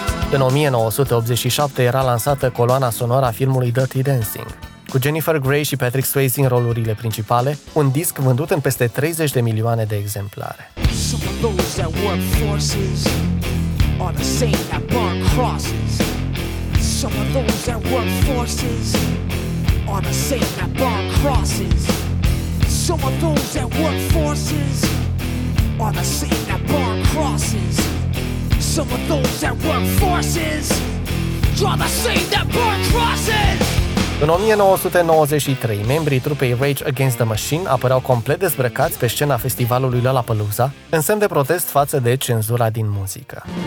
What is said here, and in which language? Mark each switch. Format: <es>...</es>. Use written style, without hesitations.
<ro>În 1987 era lansată coloana sonoră a filmului Dirty Dancing, cu Jennifer Grey și Patrick Swayze în rolurile principale, un disc vândut în peste 30 de milioane de exemplare.</ro> <en>Some of those that work forces are the same that burn crosses. Some of those that work forces are the same that burn crosses. Some of those that work forces are the same that burn crosses. Some of those that work forces draw the same that burn crosses.</en> <ro>În 1993, membrii trupei Rage Against the Machine apăreau complet dezbrăcați pe scena festivalului Lollapalooza, în semn de protest față de cenzura din muzică.</ro>